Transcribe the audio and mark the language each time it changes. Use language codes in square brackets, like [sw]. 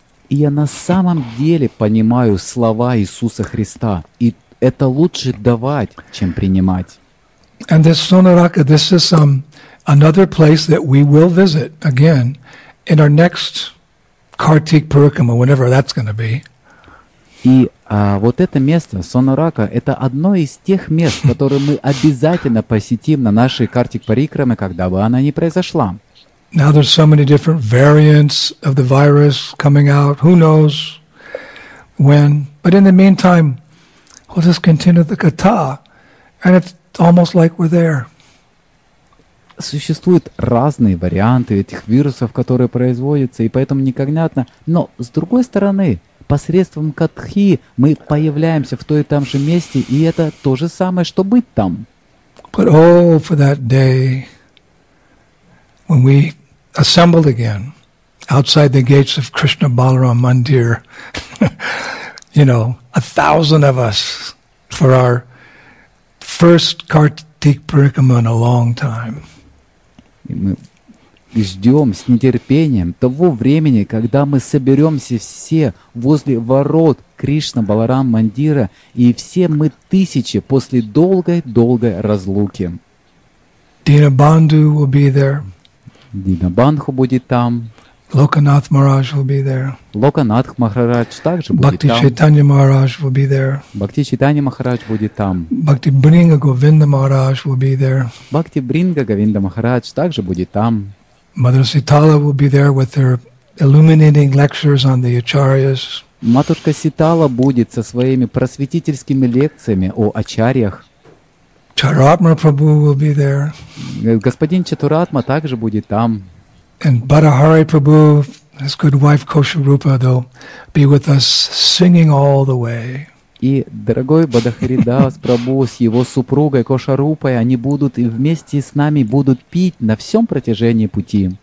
[ru] И я на самом деле понимаю слова Иисуса Христа, и это лучше давать, чем принимать. [en] And this Sonaraka, this is some another place that we will visit again in our next Kartik Purukkama, whenever that's going to be. [ru] И вот это место, Сонарака, это одно из тех мест, которые мы обязательно посетим на нашей Картик Парикраме, когда бы она ни произошла. [en] Now there's so many different variants of the virus coming out. Who knows when? But in the meantime, we'll just continue the kata, and it's almost like we're there. [ru] Существуют разные варианты этих вирусов, которые производятся, и поэтому непонятно. Но с другой стороны, посредством катхи мы появляемся в той и там же месте, и это то же самое, что быть там. [en] But oh, for that day, when we assemble again outside the gates of Krishna Balaram Mandir, you know, 1,000 of us for our first Kartik Parikrama in a long time. [ru] И мы ждем с нетерпением того времени, когда мы соберемся все возле ворот Кришна Баларам Мандира, и все мы тысячи после долгой-долгой разлуки. [en] Дина Банду will be there. [ru] Дина Бандху будет там. [en] Локанатх Махарадж will be there. [ru] Локанатх Махарадж также будет Бхакти там. [en] Бхакти Чайтанья Махарадж will be there. [ru] Бхакти Чайтанья Махарадж будет там. [en] Бхакти Бринга Говинда Махарадж will be there. [ru] Бхакти Бринга Говинда Махарадж также будет там. [en] Матра Ситала will be there with her illuminating lectures on the Acharyas. [ru] Матушка Ситала будет со своими просветительскими лекциями о Ачарьях. [en] Чаратма Прабху will be there. [ru] Господин Чатуратма также будет там. [en] And Badahari Prabhu, his good wife Kosharupa, they'll be with us singing all the way. [ru] И дорогой Бадахаридас Прабху с его супругой Кошарупой, они будут и вместе с нами будут петь на всем протяжении пути.